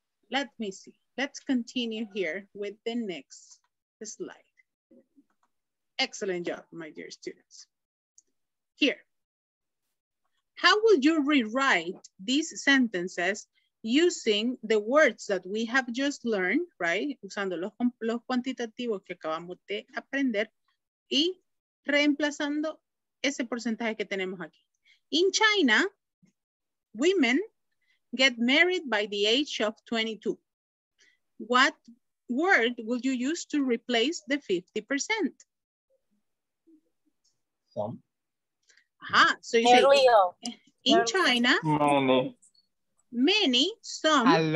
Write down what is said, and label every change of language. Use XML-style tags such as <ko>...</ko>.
<en>Let me see. Let's continue here with the next slide. Excellent job, my dear students. Here. How will you rewrite these sentences using the words that we have just learned, right?</en> <es>Usando los cuantitativos que acabamos de aprender y reemplazando ese porcentaje que tenemos aquí.</es> <en>In China, women get married by the age of 22. What word will you use to replace the 50%? Some. Aha, so you say in China, many, some,</en>